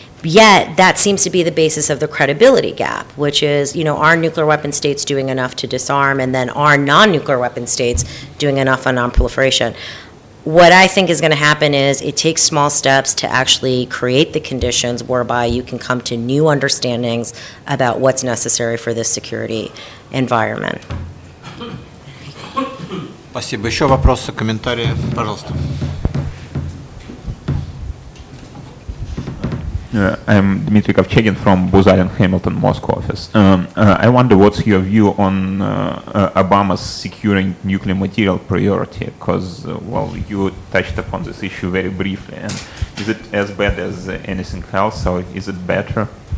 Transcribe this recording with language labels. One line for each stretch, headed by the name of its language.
English: Yet, that seems to be the basis of the credibility gap, which is, you know, are nuclear weapon states doing enough to disarm, and then are non-nuclear weapon states doing enough on nonproliferation? What I think is going to happen is it takes small steps to actually create the conditions whereby you can come to new understandings about what's necessary for this security environment.
Russian: Спасибо. Еще вопросы, комментарии, пожалуйста.
English: I'm Dmitry Kovchegin from Booz Allen Hamilton Moscow office. I wonder what's your view on Obama's securing nuclear material priority, because, well, you touched upon this issue very briefly. And is it as bad as anything else, or is it better?